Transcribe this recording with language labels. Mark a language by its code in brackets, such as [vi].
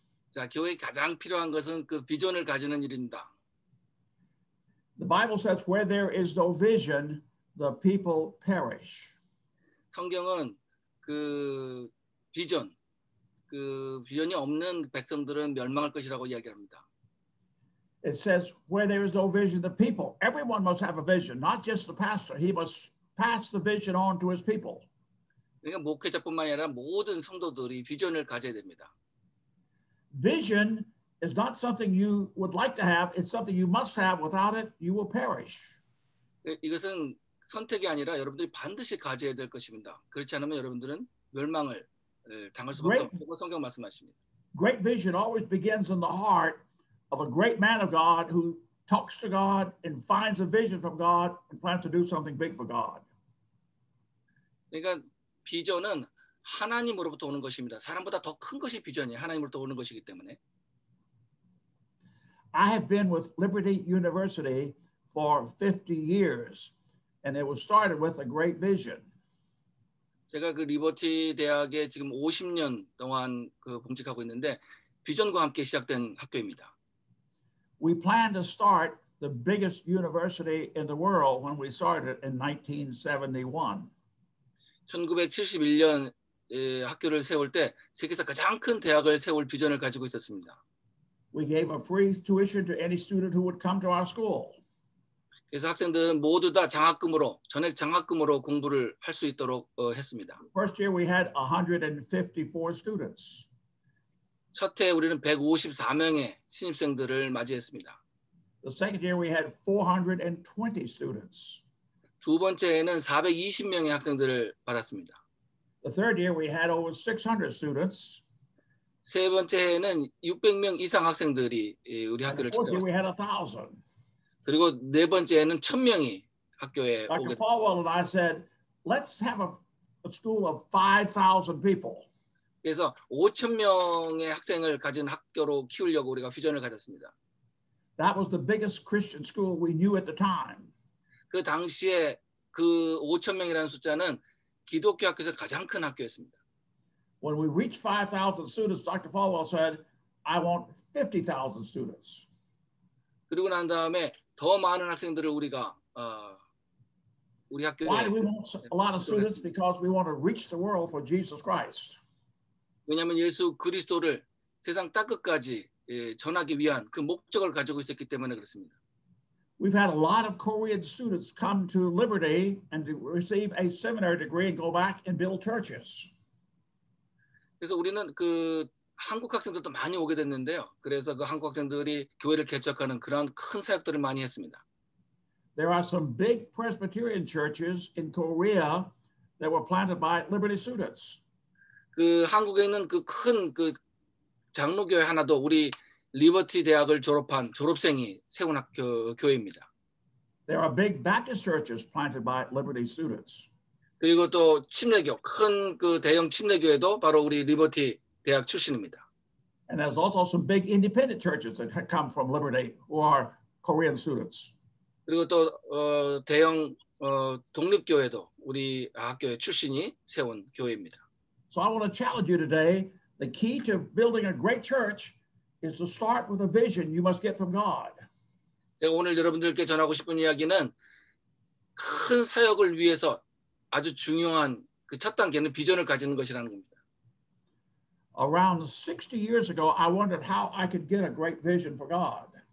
[ko] 자, 교회 가장 필요한 것은 그 비전을 가지는 일입니다. [en] The Bible says where there is no vision, the people perish. [ko] 성경은 그 비전, 그 비전이 없는 백성들은 멸망할 것이라고 이야기합니다. [en] It says where there is no vision, the people, everyone must have a vision, not just the pastor. He must pass the vision on to his people. [ko] 그러니까 목회자뿐만 아니라 모든 성도들이 비전을 가져야 됩니다. [en] Vision is not something you would like to have. It's something you must have. Without it, you will perish. [ko] 이것은 선택이 아니라 여러분들이 반드시 가져야 될 것입니다. 그렇지 않으면 여러분들은 멸망을 당할 수밖에 없다고 성경 말씀하십니다. [en] Great vision always begins in the heart of a great man of God who talks to God and finds a vision from God and plans to do something big for God. [ko] 그러니까 비전은 하나님으로부터 오는 것입니다. 사람보다 더 큰 것이 비전이 하나님으로부터 오는 것이기 때문에. [en] I have been with Liberty University for 50 years and it was started with a great vision. [ko] 제가 그 리버티 대학에 지금 50년 동안 그 봉직하고 있는데 비전과 함께 시작된 학교입니다. [en] We planned to start the biggest university in the world when we started in 1971. [ko] 1971년 학교를 세울 때 세계에서 가장 큰 대학을 세울 비전을 가지고 있었습니다. [en] We gave a free tuition to any student who would come to our school. [ko] 그래서 학생들은 모두 다 장학금으로 전액 장학금으로 공부를 할 수 있도록 했습니다. [en] First year we had 154 students. [ko] 첫 해 우리는 154명의 신입생들을 맞이했습니다. [en] The second year we had 420 students. [ko] 두 번째에는 420명의 학생들을 받았습니다. [en] The third year we had over 600 students. [ko] 세 번째 해에는 600명 이상 학생들이 우리 학교를 찾아왔습니다. 그리고 네 번째에는 1,000명이 학교에 Dr. 오게 됩니다. Dr. [en] Paul and I said, let's have a school of 5,000 people. [ko] 그래서 5,000명의 학생을 가진 학교로 키우려고 우리가 비전을 가졌습니다. [en] That was the biggest Christian school we knew at the time. [ko] 그 당시에 그 5,000명이라는 숫자는 기독교 학교에서 가장 큰 학교였습니다. [en] When we reached 5,000 students, Dr. Falwell said, I want 50,000 students. [ko] 그리고 난 다음에 더 많은 학생들을 우리가 우리 학교에 [en] Why do we want a lot of students? Because we want to reach the world for Jesus Christ. [ko] 왜냐하면 예수 그리스도를 세상 땅끝까지 전하기 위한 그 목적을 가지고 있었기 때문에 그렇습니다. [en] We've had a lot of Korean students come to Liberty and receive a seminary degree and go back and build churches. [ko] 그래서 우리는 그 한국 학생들도 많이 오게 됐는데요. 그래서 그 한국 학생들이 교회를 개척하는 그런 큰 사역들을 많이 했습니다. [en] There are some big Presbyterian churches in Korea that were planted by Liberty students. [ko] 그 한국에 있는 그 큰 그 장로교회 하나도 우리 리버티 대학을 졸업한 졸업생이 세운 학교 교회입니다. [en] There are big Baptist churches planted by Liberty students. [ko] 그리고 또 침례교 큰 그 대형 침례교회도 바로 우리 리버티 대학 출신입니다. [en] And there's also some big independent churches that have come from Liberty who are Korean students. [ko] 그리고 또 대형 독립교회도 우리 학교의 출신이 세운 교회입니다. [en] So I want to challenge you today. The key to building a great church is to start with a vision you must get from God. [ko] 제가 오늘 여러분들께 전하고 싶은 이야기는 큰 사역을 위해서 아주 중요한 그 첫 단계는 비전을 가지는 것이라는 겁니다. [en] Around 60 years ago, I wondered how I could get a great vision for God.